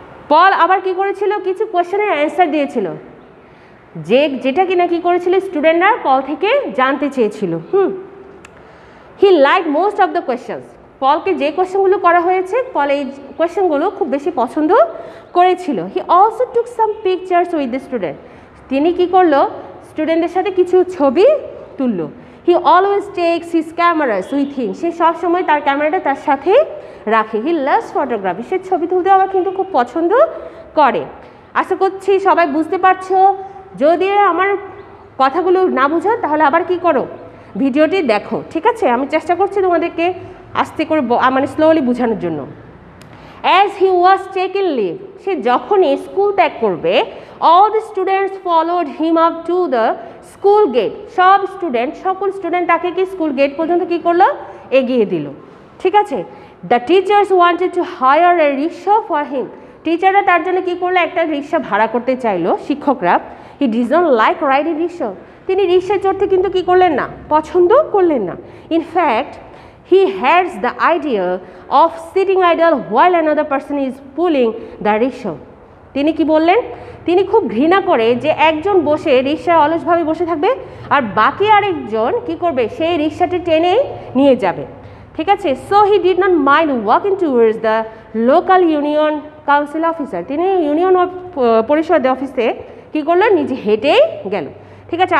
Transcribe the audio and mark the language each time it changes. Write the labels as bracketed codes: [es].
[bn] পল আবার কী করেছিল, কিছু কোয়েশ্চনের অ্যান্সার দিয়েছিল, যেটা কি না কি করেছিল, স্টুডেন্টরা পল থেকে জানতে চেয়েছিল। [en] he like most of the questions, [bn] পলকে যে কোয়েশ্চনগুলো করা হয়েছে পল এই কোয়েশ্চনগুলো খুব বেশি পছন্দ করেছিল। [en] he also took some pictures with the student, [bn] তিনি কী করলো, স্টুডেন্টদের সাথে কিছু ছবি তুললো। [en] He always takes his cameras with him. [bn] সে সব সময় তার ক্যামেরাটা তার সাথে রাখে. [en] He loves photography. [bn] সে ছবি তুলতে আবার কিন্তু খুব পছন্দ করে. আশা করছি সবাই বুঝতে পারছো. যদি আমার কথাগুলো না বুঝো তাহলে আবার কি করো, ভিডিওটি দেখো, ঠিক আছে? আমি চেষ্টা করছি তোমাদেরকে আস্তে করে মানে স্লোলি বোঝানোর জন্য. [en] As he was taking leave, [bn] সে যখন স্কুল ত্যাগ করবে, [en] all the students followed him up to the school gate. [bn] সব স্টুডেন্ট, সকল স্টুডেন্ট তাকে কি স্কুল গেট পর্যন্ত কি করলো, এগিয়ে দিল, ঠিক আছে? [en] The teachers wanted to hire a rickshaw for him. [bn] টিচাররা তার জন্য কি করলো, একটা রিকশা ভাড়া করতে চাইলো শিক্ষকরা. [en] He doesn't like riding rickshaw. [bn] তিনি রিকশা চড়তে কিন্তু কি করলেন না, পছন্দ করলেন না. [en] In fact, he has the idea of sitting idle while another person is pulling the rickshaw. [bn] তিনি কি বললেন, তিনি খুব ঘৃণা করে যে একজন বসে রিকশায় অলসভাবে বসে থাকবে আর বাকি আরেকজন কি করবে, সেই রিকশাটি টেনে নিয়ে যাবে, ঠিক আছে? [en] So he did not mind walking towards the local union council officer. [bn] তিনি ইউনিয়ন পরিষদ অফিসে কী করলো, নিজে হেঁটেই গেল, ঠিক আছে?